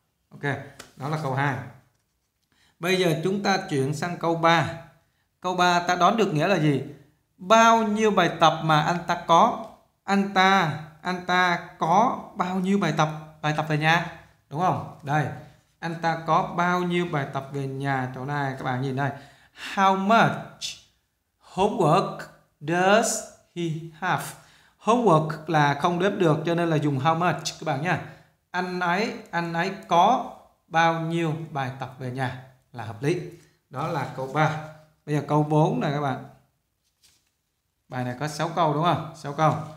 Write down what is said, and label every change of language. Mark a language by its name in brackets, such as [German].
[Vietnamese] Ok, đó là câu 2. Bây giờ chúng ta chuyển sang câu 3. Câu 3 ta đoán được nghĩa là gì? Bao nhiêu bài tập mà anh ta có bao nhiêu bài tập về nhà, đúng không? Đây, anh ta có bao nhiêu bài tập về nhà chỗ này, các bạn nhìn đây. [English] How much homework does he have? [Vietnamese] Homework là không đếm được cho nên là dùng how much các bạn nhá. Anh ấy có bao nhiêu bài tập về nhà là hợp lý. Đó là câu 3. Bây giờ câu 4 này các bạn. Bài này có 6 câu đúng không? 6 câu.